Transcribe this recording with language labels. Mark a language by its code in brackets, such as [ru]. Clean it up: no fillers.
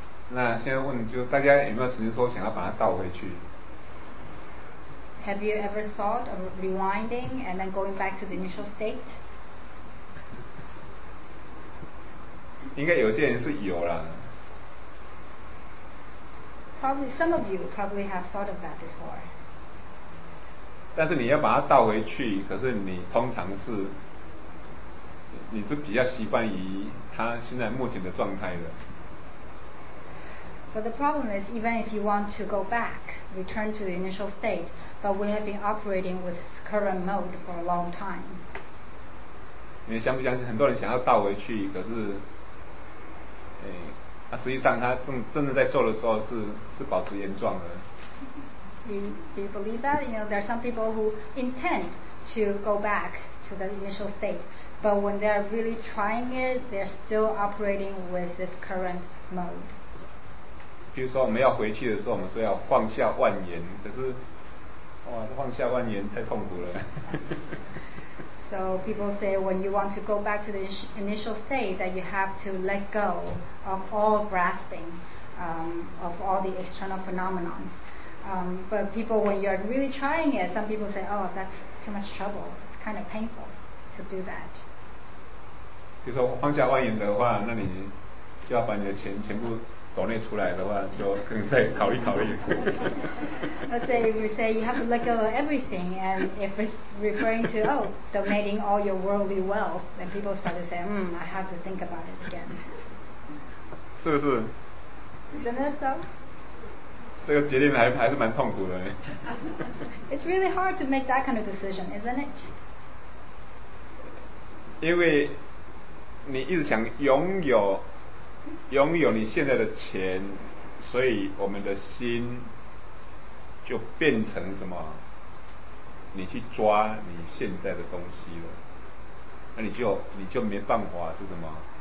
[zh] 那现在问你，就大家有没有曾经说想要把它倒回去？ [en] Have you ever thought of rewinding and then going back to the initial state? [zh] 应该有些人是有啦。 [en] Probably some of you probably have thought of that before. [zh] 但是你要把它倒回去，可是你通常是你是比较习惯于他现在目前的状态的。 [en] But the problem is, even if you want to go back, return to the initial state, but we have been operating with current mode for a long time. [zh] 你相不相信很多人想要倒回去，可是，实际上他真的在做的时候是保持原状的。 [en] Do you believe that? You know, there are some people who intend to go back to the initial state. But when they are really trying it, they're still operating with this current mode. [zh] 比如说我们要回去的时候，我们说要放下万缘，可是，哇，放下万缘太痛苦了。 [en] So people say when you want to go back to the initial state, that you have to let go of all grasping, of all the external phenomenons. But people, when you are really trying it, some people say, oh, that's too much trouble. It's kind of painful. To do that. [zh] 比如说放下万缘的话，那你就要把你的钱全部抖内出来的话，就可能再考虑考虑。 [en] Let's say if you say you have to let go of everything, and if it's referring to donating all your worldly wealth, then people start to say, I have to think about it again. [zh] 是不是？ [en] Isn't that so? [zh] 这个决定还是蛮痛苦的。 [en] It's really hard to make that kind of decision, isn't it? [zh] 因为你一直想拥有你现在的钱，所以我们的心就变成什么？你去抓你现在的东西了，那你就没办法是什么？